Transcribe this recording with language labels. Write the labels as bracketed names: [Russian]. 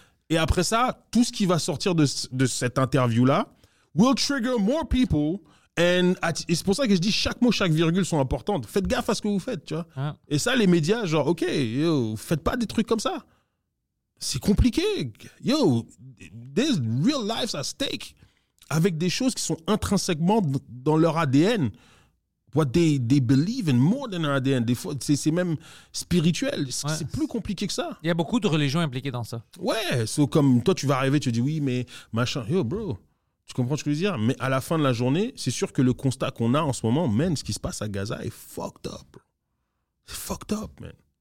[French] Et après ça, tout ce qui va sortir de cette interview là [English] will trigger more people and [French] et c'est pour ça que je dis chaque mot, chaque virgule sont importantes. Faites gaffe à ce que vous faites, tu vois. Ah. Et ça les médias genre OK, yo, faites pas des trucs comme ça. C'est compliqué. Yo, [English] there's real lives at stake [French] avec des choses qui sont intrinsèquement dans leur ADN. [English] What they believe in more than ADN. [French] Des fois, c'est même spirituel. C'est, ouais. C'est plus compliqué que ça. Il y a beaucoup de religions impliquées dans ça. Ouais, c'est comme toi, tu vas arriver, tu dis oui, mais machin. Yo, bro, tu comprends ce que je veux dire? Mais à la fin de la journée, c'est sûr que le constat qu'on a en ce moment, man, ce qui se passe à Gaza est fucked up, bro. C'est fucked up, man.